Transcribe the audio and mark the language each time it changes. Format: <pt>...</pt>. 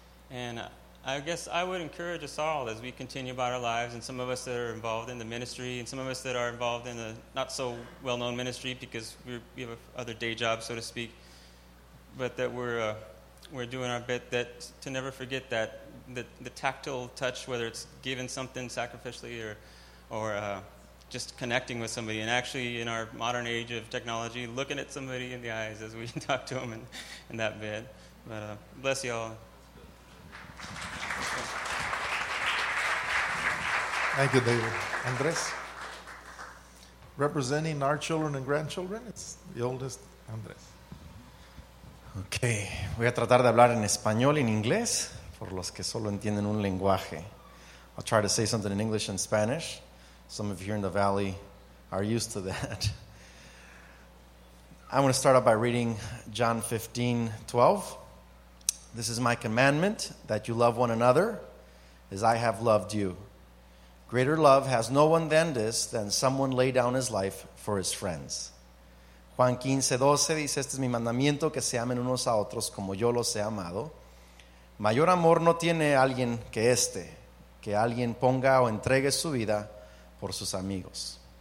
<en>And I guess I would encourage us all as we continue about our lives, and some of us that are involved in the ministry and some of us that are involved in the not so well-known ministry because we have other day jobs, so to speak, but that we're doing our bit, that to never forget that the tactile touch, whether it's giving something sacrificially or just connecting with somebody, and actually in our modern age of technology, looking at somebody in the eyes as we talk to them in that bit. But bless you all. Thank you, David. Andres, representing our children and grandchildren, it's the oldest, Andres.</en> <es>Okay, voy a tratar de hablar en español y en inglés por los que solo entienden un lenguaje.</es> <en>I'll try to say something in English and Spanish. Some of you here in the valley are used to that. I'm going to start out by reading John 15:12. This is my commandment, that you love one another as I have loved you. Greater love has no one than this, than someone lay down his life for his friends.</en> <es>Juan 15:12 dice, este es mi mandamiento, que se amen unos a otros como yo los he amado. Mayor amor no tiene alguien que este, que alguien ponga o entregue su vida por sus amigos.</es>